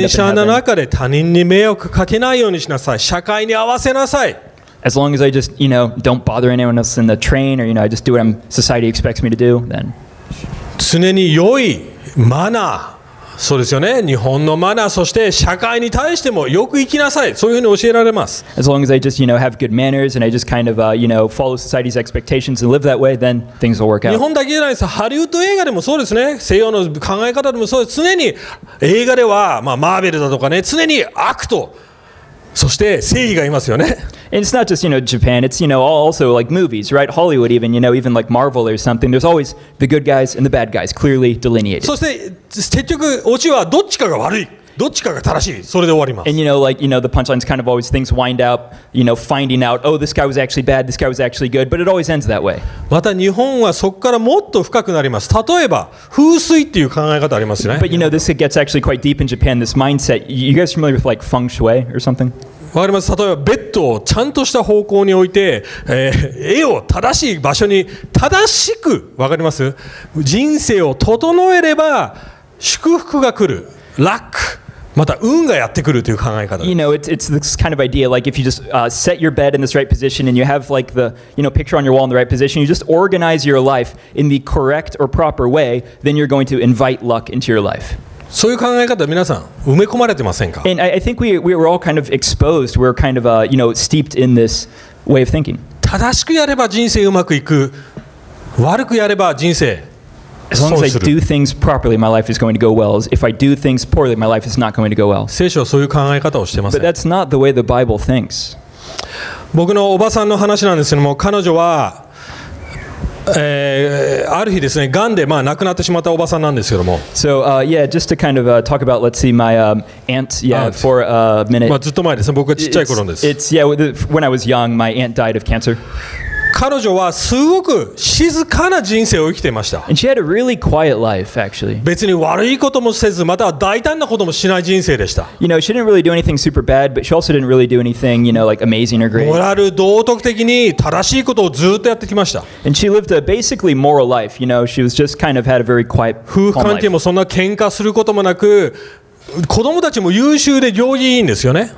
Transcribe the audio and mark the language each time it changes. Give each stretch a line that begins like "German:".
Japanese: 電車の中で他人に迷惑かけないようにしなさい。社会に合わせなさい。
English: As long as I just, you know, don't bother anyone else in the train, or you know, I just do what society expects me to do, then.
Japanese: 常に良いマナー。そうですよね。日本のマナー、そして社会に対してもよく生きなさい。そういうふうに教えられます。
English: As long as I just, you know, have good manners and I just kind of, you know, follow society's expectations and live that way, then things will work out.
Japanese: 日本だけじゃないです。ハリウッド映画でもそうですね。西洋の考え方でもそうです。常に映画では、まあ、マーベルだとかね、常に悪と、そして正義がいますよね。
English: And it's not just, you know, Japan, it's, you know, also like movies, right? Hollywood even, you know, even like Marvel or something. There's always the good guys and the bad guys, clearly delineated.
Japanese: そして、結局、オチはどっちかが悪い。どっちかが正しい。それで終わります。
English: And you know, like, you know, the punchline's kind of always things wind up, you know, finding out, oh, this guy was actually bad, this guy was actually good, but it always ends that way.
Japanese: また日本はそこからもっと深くなります。例えば、風水っていう考え方ありますね。
English: But you know, this gets actually quite deep in Japan, this mindset. You guys familiar with like feng shui or something?
Japanese: わかります。例えばベッドをちゃんとした方向に置いて、絵を正しい場所に正しく、わかります？人生を整えれば祝福が来る。ラック。また運がやってくるという考え方。
English: You know, it's this kind of idea, like if you just set your bed in this right position and you have like the, you know, picture on your wall in the right position, you just organize your life in the correct or proper way, then you're going to invite luck into your life.
Japanese: そういう考え方皆さん埋め込まれてませんか？
English: And I think we were all kind of exposed. We're kind of you know, steeped in this way of thinking.
Japanese: 正しくやれば人生うまくいく。悪くやれば人生
English: As long as I do things properly, my life is going to go well. If I do things poorly, my life is not going to go well.
Japanese: 聖書はそういう考え方をしてません。
English: But that's not the way the Bible thinks.
Japanese: 僕のおばさんの話なんですけども、彼女は、ある日ですね、ガンで、まあ、亡くなってしまったおばさんなんですけども。
English: So, yeah, just to kind of talk about, let's see, my aunt, yeah, for a minute.
Japanese: まあ、ずっと前ですね、僕がちっちゃい頃です。
English: It's, yeah, when I was young, my aunt died of cancer.
Japanese: 彼女はすごく静かな人生を生きていました。
English: And she had a really quiet life, actually.
Japanese: 別に悪いこともせず、または大胆なこともしない人生でした。
English: You know, she didn't really do anything super bad, but she also didn't really do anything, you know, like amazing or great.
Japanese: モラル道徳的に正しいことをずっとやってきました。
English: And she lived a basically moral life, you know, she was just kind of had a very quiet life.
Japanese: 夫婦関係もそんな喧嘩することもなく、子供たちも優秀で行儀いいんですよね。